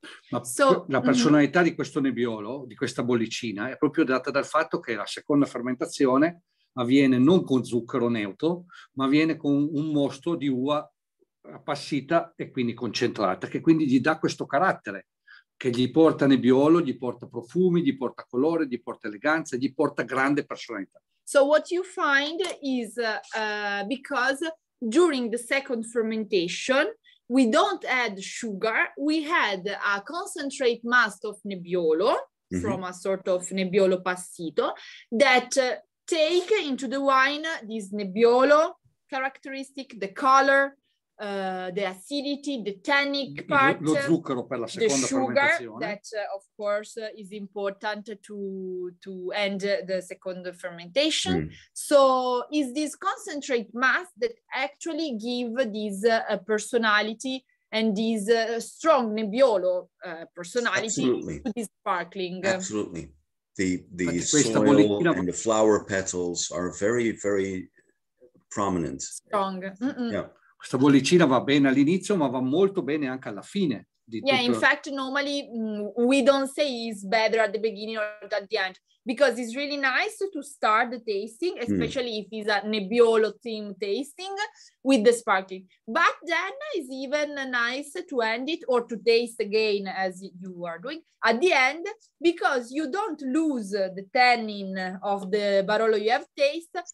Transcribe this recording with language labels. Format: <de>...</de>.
<it>Ma so, la personalità di questo Nebbiolo, di questa bollicina, è proprio data dal fatto che la seconda fermentazione avviene non con zucchero neutro, ma avviene con un mosto di uva appassita e quindi concentrata, che quindi gli dà questo carattere, che gli porta Nebbiolo, gli porta profumi, gli porta colore, gli porta eleganza, gli porta grande personalità.</it> <en>So what you find is because during the second fermentation we don't add sugar, we had a concentrate must of Nebbiolo from a sort of Nebbiolo passito that take into the wine this Nebbiolo characteristic, the color, the acidity, the tannic part,</en> <it>lo zucchero per la seconda fermentazione,</it> <en>the sugar that of course is important to end the second fermentation. So is this concentrate must that actually give this personality and this strong Nebbiolo personality. Absolutely. To this sparkling. Absolutely. The soil and the flower petals are very, very prominent. Strong.</en> <it>Questa bollicina va bene all'inizio, ma va molto bene anche alla fine.</it> <en>In fact, normally we don't say it's better at the beginning or at the end, because it's really nice to start the tasting, especially if it's a Nebbiolo theme tasting, with the sparkling. But then it's even nice to end it or to taste again, as you are doing, at the end, because you don't lose the tannin of the Barolo you have tasted.</en>